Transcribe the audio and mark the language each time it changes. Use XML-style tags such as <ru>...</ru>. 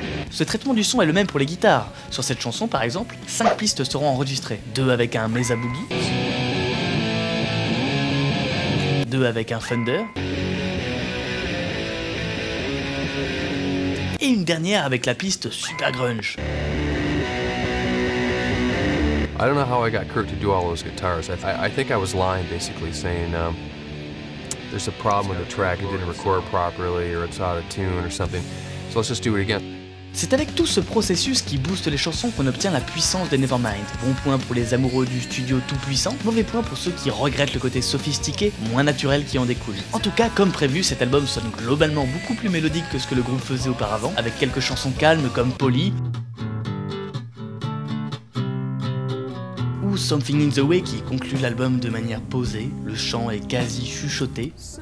<fr>Ce traitement du son est le même pour les guitares. Sur cette chanson, par exemple, 5 pistes seront enregistrées. 2 avec un Mesa Boogie. 2 avec un Fender. Et une dernière avec la piste Super Grunge.</fr> <en>I don't know how I got Kurt to do all those guitars. I think I was lying, basically, saying... There's a problem with the track, it didn't record properly, or it's out of tune, or something. So let's just do it again.</en> <fr>C'est avec tout ce processus qui booste les chansons qu'on obtient la puissance des Nevermind. Bon point pour les amoureux du studio tout puissant, mauvais point pour ceux qui regrettent le côté sophistiqué, moins naturel qui en découle. En tout cas, comme prévu, cet album sonne globalement beaucoup plus mélodique que ce que le groupe faisait auparavant, avec quelques chansons calmes comme Polly ou Something in the Way qui conclut l'album de manière posée, le chant est quasi chuchoté.</fr>